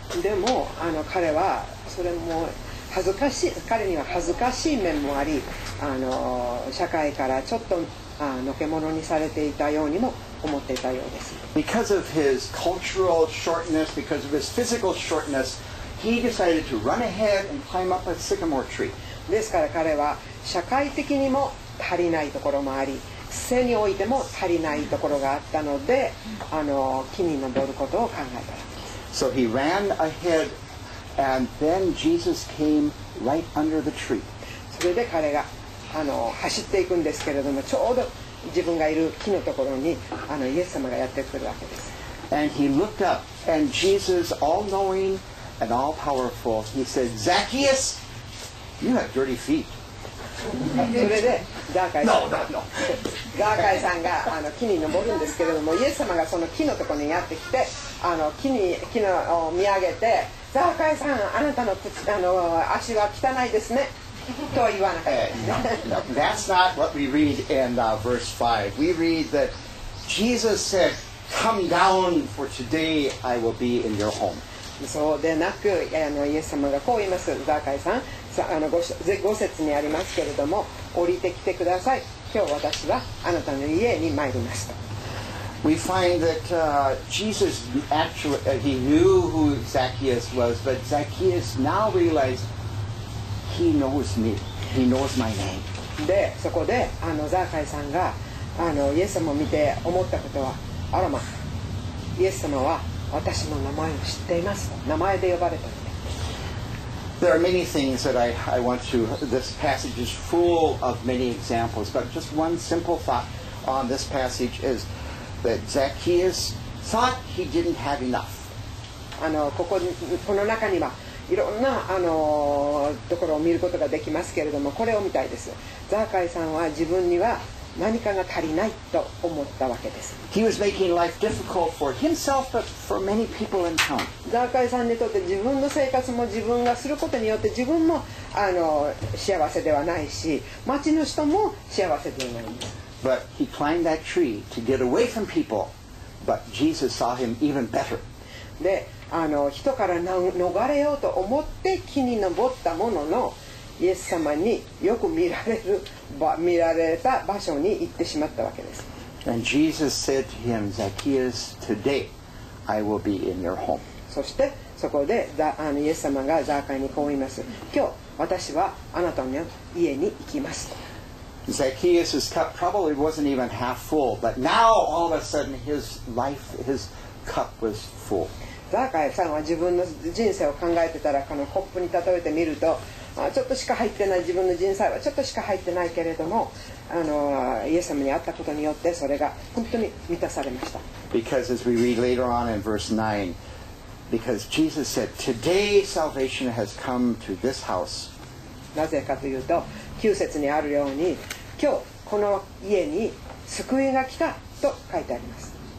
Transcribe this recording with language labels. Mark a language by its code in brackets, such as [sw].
[ja] でもあの彼はそれも恥ずかしい、彼には恥ずかしい面もあり、あの社会からちょっとのけ者にされていたようにも思っていたようです。 [en] Because of his cultural shortness, because of his physical shortness, he decided to run ahead and climb up a sycamore tree. [ja] ですから彼は社会的にも足りないところもあり、背においても足りないところがあったので、あの木に登ることを考えた。 [en] So he ran ahead. And then Jesus came right under the tree. [ja] それで彼があの走っていくんですけれども、ちょうど自分がいる木のところにあのイエス様がやってくるわけです。 [en] And he looked up, and Jesus, all-knowing and all-powerful, he said, "Zacchaeus, you have dirty feet." [ja] それでザーカイさん、ザーカイさんがあの木に登るんですけれども、イエス様がその木のところにやってきて、あの木を見上げて。ザーカイさん、あなたの靴、あの足は汚いですねとは言わなかった。 [en] No, that's not what we read in verse 5. We read that Jesus said, "Come down, for today I will be in your home." [ja] そうでなく、あのイエス様がこう言います。ザーカイさん、さあの五節にありますけれども、降りてきてください。今日私はあなたの家に参りました。 [en] We find that Jesus actually he knew who Zacchaeus was, but Zacchaeus now realized he knows me. He knows my name. [ja] で、そこであのザーカイさんがあのイエス様を見て思ったことは、あらま、イエス様は私の名前を知っています。名前で呼ばれたので。 [en] There are many things that I want to, this passage is full of many examples, but just one simple thought on this passage is that Zacchaeus thought he didn't have enough. [ja] この中にはいろんなところを見ることができますけれども、これを見たいです。ザーカイさんは自分には何かが足りないと思ったわけです。 [en] He was making life difficult for himself, but for many people in town. [ja] ザーカイさんにとって自分の生活も自分がすることによって自分も幸せではないし、町の人も幸せではないんです。 [en] But he climbed that tree to get away from people, but Jesus saw him even better. [ja] で、人から逃れようと思って木に登ったものの、イエス様によく見られた場所に行ってしまったわけです。 [en] And Jesus said to him, Zacchaeus, today I will be in your home. [ja] そしてそこでイエス様がザーカイにこう言います。今日私はあなたの家に行きます。 [en] Zacchaeus' cup probably wasn't even half full, but now all of a sudden his life, his cup was full. [ja] ザーカイさんは自分の人生を考えてたら、このコップに例えてみると、ちょっとしか入ってない、自分の人生はちょっとしか入ってないけれども、イエス様に会ったことによってそれが本当に満たされました。 [en] Because as we read later on in verse 9, because Jesus said, today salvation has come to this house. [ja] なぜかというと、9節にあるように、今日この家に救いが来たと書いてあります。